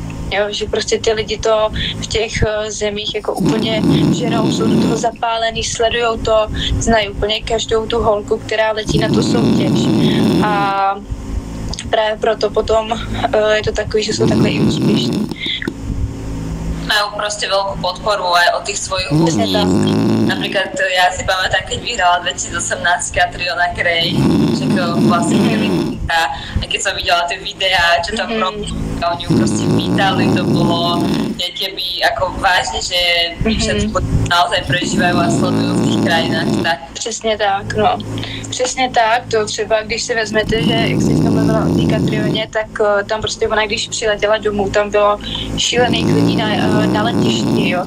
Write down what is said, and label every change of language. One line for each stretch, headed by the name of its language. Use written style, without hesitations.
Czech: Jo, že prostě ty lidi to v těch zemích jako úplně ženou, jsou do toho zapálený, sledujou to, znají úplně každou tu holku, která letí na tu soutěž. A právě proto potom je to takový, že jsou takhle i úspěšní.
Slovak: Majú proste veľkú podporu aj od tých svojich úspěšných. Napríklad ja si pamätám, keď vyhrala 2018 Katriona Gray, že to vlastne Filipínka. A keď som videla tie videá, čo tam robili, oni ju proste vítali, to bolo nejaké by ako vážne, že všetko naozaj prežívajú a sledujú v tých krajinách. Tak.
Czech: Přesně tak, no. Přesně tak, to třeba, když si vezmete, že jak jsi tam mluvila o té Katrioně, tak tam prostě ona, když přiletěla domů, tam bylo šílený klidí na letišti, jo.